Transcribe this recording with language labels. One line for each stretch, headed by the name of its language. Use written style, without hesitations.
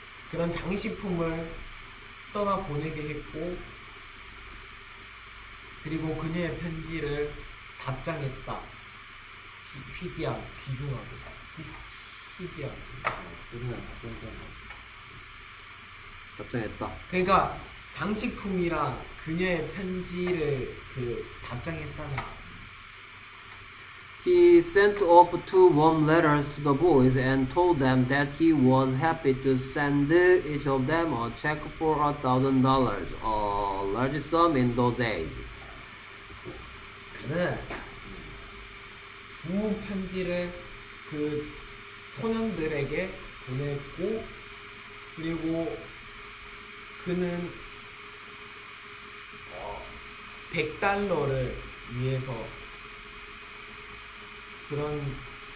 Korean: 그런 장식품을 떠나 보내게 했고, 그리고 그녀의 편지를 답장했다. 희귀한, 귀중하게, 희귀한. 답장했다. 그러니까 장식품이랑 그녀의 편지를 그 답장했다는.
English: He sent off two warm letters to the boys and told them that he was happy to send each of them a check for $1,000, a large sum in those days.
Korean: 그는 두 편지를 그 소년들에게 보냈고, 그리고 그는 100달러를 위해서 그런